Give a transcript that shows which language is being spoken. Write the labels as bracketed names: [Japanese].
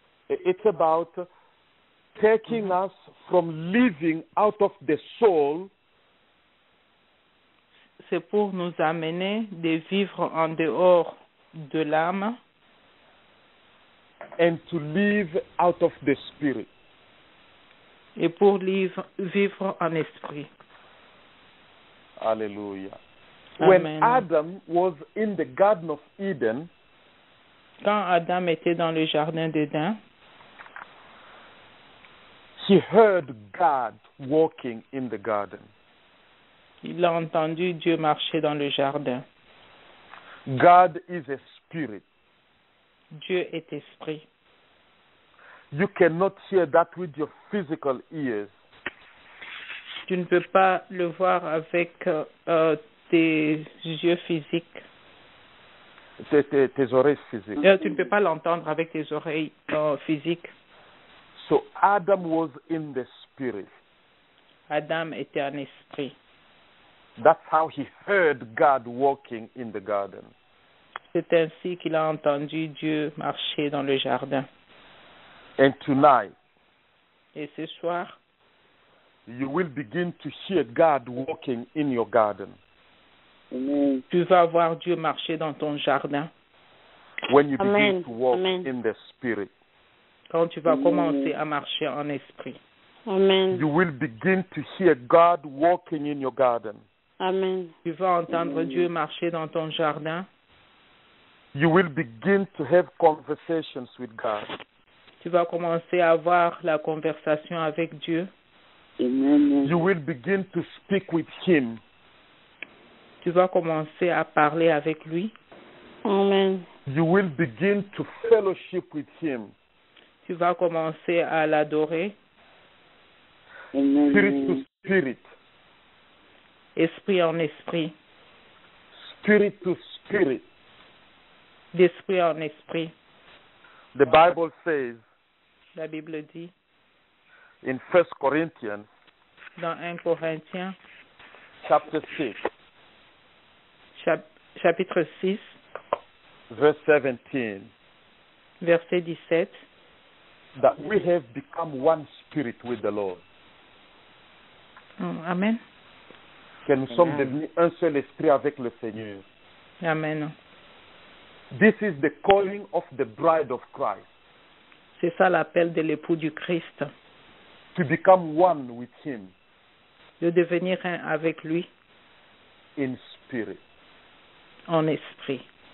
[English] It's about taking us from living out of the soul. [French] C'est pour nous amener de vivre en dehors de l'âme. [English] And to live out of the spirit. [French] Et pour vivre en esprit. Alléluia. Amen. [English] When Adam was in the Garden of Eden, [French] quand Adam était dans le jardin d'Éden, [English] he heard God walking in the garden. [French] Il a entendu Dieu marcher dans le jardin. [English] God is a spirit. [French] Dieu est esprit. [English] You cannot hear that with your physical ears. [French] Tu ne peux pas le voir avec tes yeux physiques. Tes oreilles physiques. Tu ne peux pas l'entendre avec tes oreilles physiques. [English] So Adam was in the spirit. [French] Adam était en esprit. [English] That's how he heard God walking in the garden. [French] C'est ainsi qu'il a entendu Dieu marcher dans le jardin. [English] And tonight, [French] et ce soir, [English] you will begin to hear God walking in your garden. [French] Tu vas voir Dieu marcher dans ton jardin. [English] When you Amen. Begin to walk Amen. In the spirit, [French] quand tu vas commencer à marcher en esprit, Amen. [English] You will begin to hear God walking in your garden. Amen. [French] Tu vas entendre Amen. Dieu marcher dans ton jardin. [English] You will begin to have conversations with God. [French] Tu vas commencer à avoir la conversation avec Dieu. Amen. [English] You will begin to speak with him. [French] Tu vas commencer à parler avec lui. Amen. [English] You will begin to fellowship with him. [French] Tu vas commencer à l'adorer. Amen. [English] Spirit to spirit. [French] Esprit en esprit. [English] Spirit to spirit. [French] D'esprit en esprit. [English] The Bible says. [French] La Bible dit. [English] In 1 Corinthians. [French] Dans 1 Corinthiens. [English] Chapter 6. [French] Chapitre 6. [English] Verse 17. [French] Verset 17. [English] That we have become one spirit with the Lord. Amen. [French] Que nous sommes devenus un seul esprit avec le Seigneur. Amen. [English] This is the calling of the bride of Christ. [French] C'est ça l'appel de l'époux du Christ. [English] To become one with him. [French] De devenir un avec lui. [English] In spirit. [French] En esprit.